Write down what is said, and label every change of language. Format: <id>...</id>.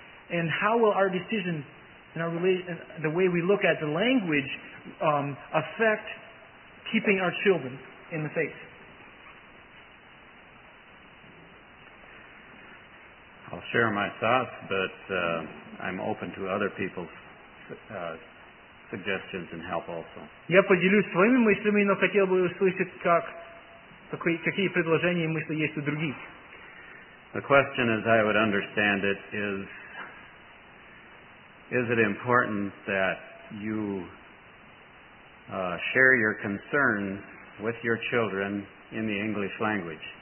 <en>And how will our decision and our the way we look at the language affect keeping our children in the faith? I'll share my thoughts, but I'm open to other people's suggestions and help also.</en> <ru>Я поделюсь своими мыслями, но хотел бы услышать, какие предложения и мысли есть у других.</ru> <en>The question, as I would understand it, is it important that you share your concerns with your children in the English language?</en>